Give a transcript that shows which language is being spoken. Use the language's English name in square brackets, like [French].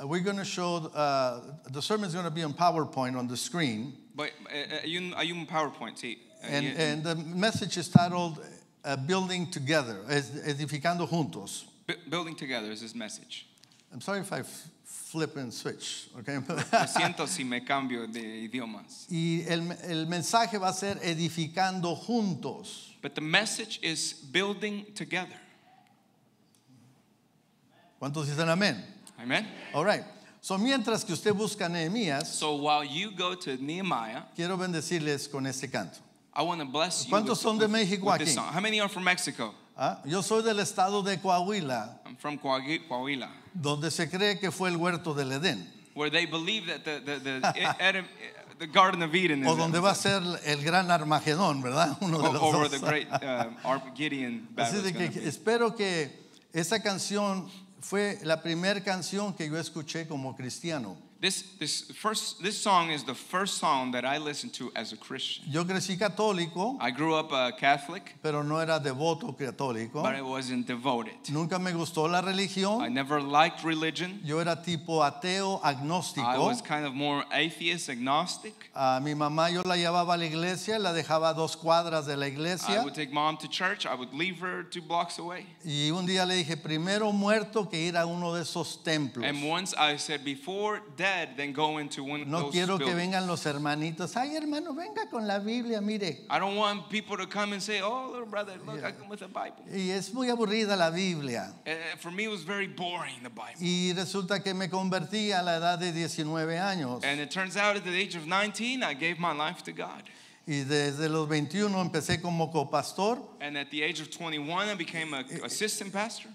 [English] We're going to show, the sermon is going to be on PowerPoint on the screen. Are you in PowerPoint, sí. And the message is titled Building Together, Edificando Juntos. Building Together is this message. I'm sorry if I flip and switch, okay? [Spanish] Lo siento si me cambio de idiomas. Y el mensaje va a ser Edificando Juntos. [English] But the message is Building Together. [Spanish] ¿Cuántos dicen amén? [English] Amen. All right. [Spanish] So mientras que usted busca Nehemías, [English] so while you go to Nehemiah, [Spanish] quiero bendecirles con este canto. [English] I want to bless you. [Spanish] ¿Cuántos son de México aquí? [English] How many are from Mexico? [Spanish] Yo soy del estado de Coahuila. [English] I'm from Coahuila. [Spanish] Donde se cree que fue el huerto del Edén. [English] Where they believe that the Garden of Eden is. [Spanish] O donde va a ser el gran Armagedón, ¿verdad? Uno de los [English] dos. Or the great Armageddon. [Spanish] Así de que espero que esa canción fue la primera canción que yo escuché como cristiano. [English] This song is the first song that I listened to as a Christian. [Spanish] Yo crecí católico. [English] I grew up a Catholic. [Spanish] Pero no era devoto católico. [English] But I wasn't devoted. [Spanish] Nunca me gustó la religión. [English] I never liked religion. [Spanish] Yo era tipo ateo agnóstico. [English] I was kind of more atheist, agnostic. [Spanish] Mi mamá yo la llevaba a la iglesia, la dejaba a dos cuadras de la iglesia. [English] I would take mom to church. I would leave her two blocks away. [Spanish] Y un día le dije, primero muerto que ir a uno de esos templos. [English] And once I said, before dead, then go into one of [Spanish] no [English] those [Spanish] quiero que [English] buildings. [Spanish] Vengan los hermanitos. Ay, hermano, venga con la Biblia, mire. [English] I don't want people to come and say, oh, little brother, look, yeah. I come with a Bible. [Spanish] Y es muy aburrida la Biblia. [English] For me, it was very boring, the Bible. [Spanish] Y resulta que me convertí a la edad de 19 años. [English] And it turns out at the age of 19, I gave my life to God. [Spanish] Y desde los 21 empecé como copastor. [English] And at the age of 21, I became an assistant pastor.